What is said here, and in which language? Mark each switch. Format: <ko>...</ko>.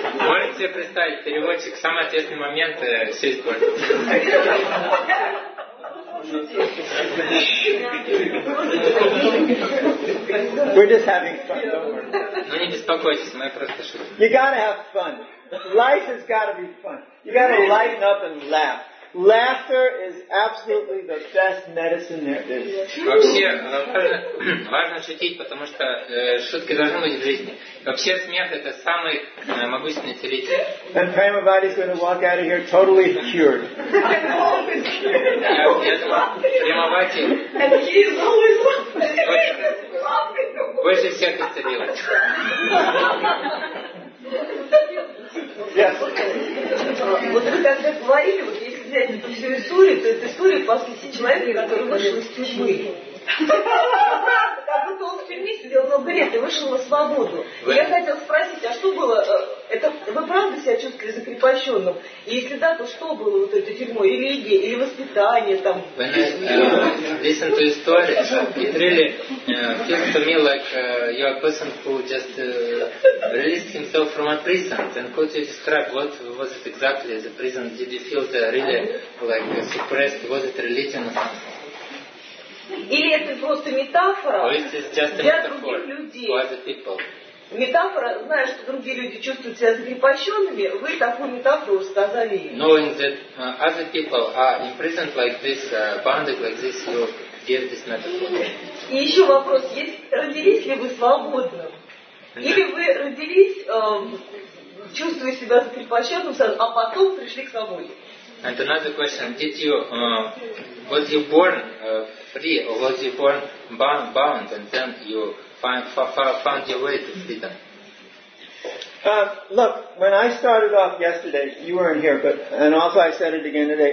<ru>Можете себе представить, переводчик в самый ответственный момент все испортит.</ru> <en>We're just having fun.</en> <ru>Не беспокойтесь, мы просто шутим.</ru> <en>You gotta have fun. Life has gotta be fun. You gotta lighten up and laugh. Laughter is absolutely the best medicine there is.</en> <ru>Вообще важно шутить, потому что шутки должны быть в жизни. Вообще смех это самый могущественный целитель.</ru> <en>And Premavati's gonna walk out of here totally cured.</en> <ru>Премавати.</ru> <en>And he is always laughing.</en> <ru>Больше всех исцелил. Вот вы когда говорили, вот если взять эту всю историю, то это история последнего человека, который вышел из тюрьмы. Как будто он в тюрьме сидел много лет и вышел на свободу. И я хотела спросить, а что было, это вы правда себя чувствовали закрепощенным? И если да, то что было вот этой тюрьмой? Религия или воспитание там?</ru> <en>Listen to the story. It really feels to me like you're a person who just released himself from a prison. And could you describe what was it exactly the prison? Did you feel the really like suppressed? Was it religion?</en> <ru>Или это просто метафора для других людей? Метафора, зная, что другие люди чувствуют себя закрепощенными, вы такую метафору сказали.</ru> <en>Knowing that other people are imprisoned like this, bounded like this, you give this metaphor.</en> <ru>И еще вопрос: родились ли вы свободным? Или вы родились, чувствуя себя закрепощенным, а потом пришли к свободе?</ru> <en>And another question: did you was you born free, or was you born bound, and then you found your way to freedom? Look, when I started off yesterday, you weren't here, but and also I said it again today.</en>